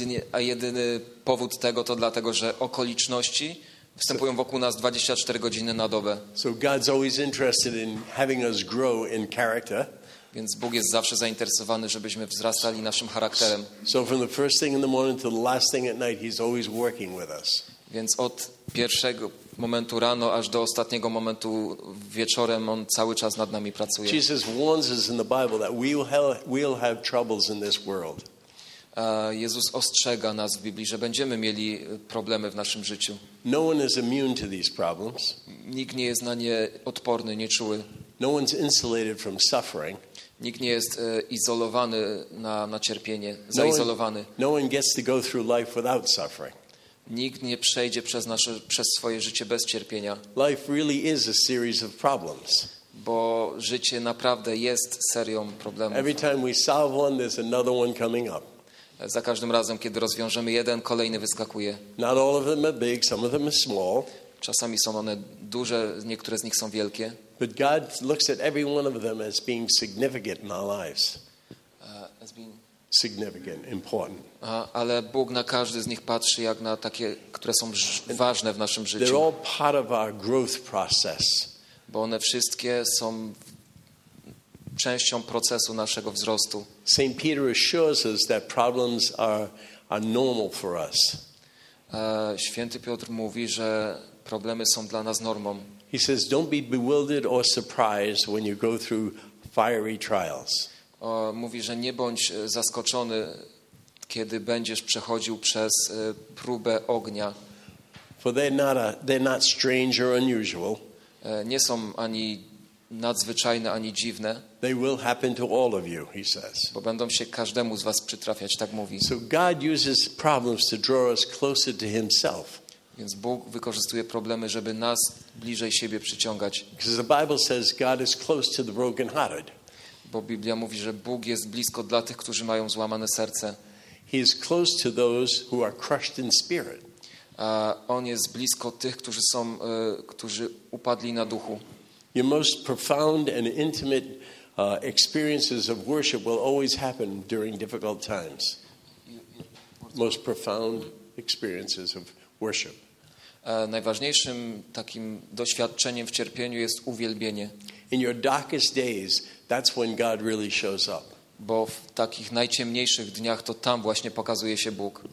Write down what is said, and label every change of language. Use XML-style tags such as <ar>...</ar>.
<pl>A jedyny powód tego to dlatego, że okoliczności występują wokół nas 24 godziny na dobę.</pl> <en>So God's always interested in having us grow in character.</en> <pl>Więc Bóg jest zawsze zainteresowany, żebyśmy wzrastali naszym charakterem.</pl> <en>So from the first thing in the morning to the last thing at night, he's always working with us.</en> <pl>Więc od pierwszego momentu rano aż do ostatniego momentu wieczorem on cały czas nad nami pracuje.</pl> <en>Jesus warns us in the Bible that we'll have troubles in this world.</en> <pl>Jezus ostrzega nas w Biblii, że będziemy mieli problemy w naszym życiu.</pl> <en>No one is immune to these problems.</en> <pl>Nikt nie jest na nie odporny, nie czuły.</pl> <en>No one's insulated from suffering.</en> <pl>Nikt nie jest izolowany na cierpienie, zaizolowany.</pl> <en>No one gets to go through life without suffering.</en> <pl>Nikt nie przejdzie przez swoje życie bez cierpienia.</pl> <en>Life really is a series of problems.</en> <pl>Bo życie naprawdę jest serią problemów.</pl> <en>Every time we solve one, there's another one coming up.</en> <pl>Za każdym razem, kiedy rozwiążemy jeden, kolejny wyskakuje.</pl> <en>Not all of them are big, some of them are small.</en> <pl>Czasami są one duże, niektóre z nich są wielkie.</pl> <en>But God looks at every one of them as being significant in our lives. Significant, important.</en> <pl>Ale Bóg na każdy z nich patrzy jak na takie, które są ważne w naszym życiu.</pl> <en>They're all part of our growth process.</en> <pl>Bo one wszystkie są częścią procesu naszego wzrostu.</pl> <en>Saint Peter assures us that problems are normal for us.</en> <pl>Święty Piotr mówi, że problemy są dla nas normą.</pl> <en>He says, "Don't be bewildered or surprised when you go through fiery trials."</en> <pl>Mówi, że nie bądź zaskoczony, kiedy będziesz przechodził przez próbę ognia.</pl> <en>For they're not strange or unusual.</en> <pl>Nie są ani nadzwyczajne, ani dziwne.</pl> <en>They will happen to all of you, he says.</en> <pl>Bo będą się każdemu z was przytrafiać, tak mówi.</pl> <en>So God uses problems to draw us closer to himself.</en> <pl>Więc Bóg wykorzystuje problemy, żeby nas bliżej siebie przyciągać.</pl> <en>Because the Bible says God is close to the brokenhearted.</en> <pl>Bo Biblia mówi, że Bóg jest blisko dla tych, którzy mają złamane serce.</pl> <en>He is close to those who are crushed in spirit.</en> <pl>A on jest blisko tych, którzy są, którzy upadli na duchu.</pl> <en>Your most profound and intimate experiences of worship will always happen during difficult times. Most profound experiences of worship.</en> <pl>Najważniejszym takim doświadczeniem w cierpieniu jest uwielbienie.</pl> <en>In your darkest days, that's when God really shows up.</en> <pl>Bo w takich najciemniejszych dniach to tam właśnie pokazuje się Bóg.</pl>